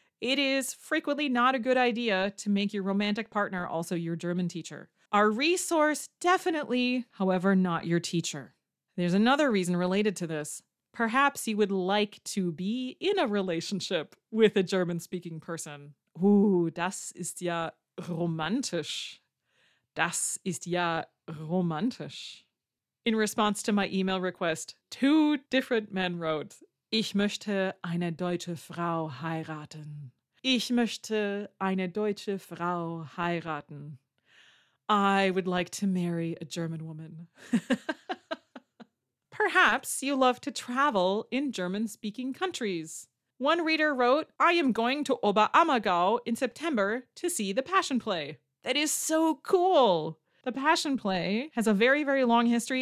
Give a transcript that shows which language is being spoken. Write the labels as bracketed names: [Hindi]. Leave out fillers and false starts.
[English] It is frequently not a good idea to make your romantic partner also your German teacher. Our resource, definitely, however, not your teacher. There's another reason related to this. Perhaps you would like to be in a relationship with a German-speaking person. [German] Ooh, das ist ja romantisch. Das ist ja romantisch. [English] In response to my email request, two different men wrote, [German] ich möchte eine deutsche Frau heiraten. Ich möchte eine deutsche Frau heiraten. [English] I would like to marry a German woman. Perhaps you love to travel in German-speaking countries. One reader wrote, I am going to Oberammergau in September to see the Passion Play. That is so cool. The Passion Play has a very, very long history.